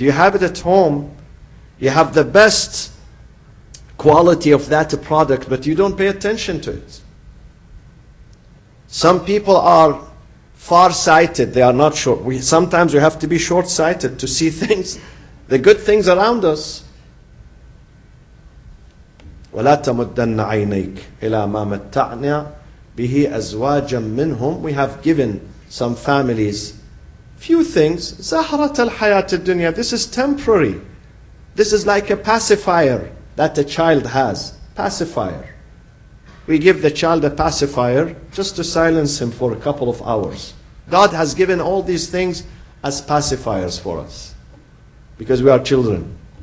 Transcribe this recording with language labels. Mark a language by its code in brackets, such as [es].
[en] You have it at home. You have the best quality of that product, but you don't pay attention to it. Some people are far-sighted. They are not short. Sometimes we have to be short-sighted to see things, the good things around us. [ar] وَلَا تَمُدَّنَّ عَيْنَيْكَ إِلَى مَا مَتَّعْنَا بِهِ أَزْوَاجًا مِّنْهُمْ. [en] We have given some families few things. [ar] زهرة الحياة الدنيا. [en] This is temporary. This is like a pacifier that a child has. Pacifier. We give the child a pacifier just to silence him for a couple of hours. God has given all these things as pacifiers for us. Because we are children.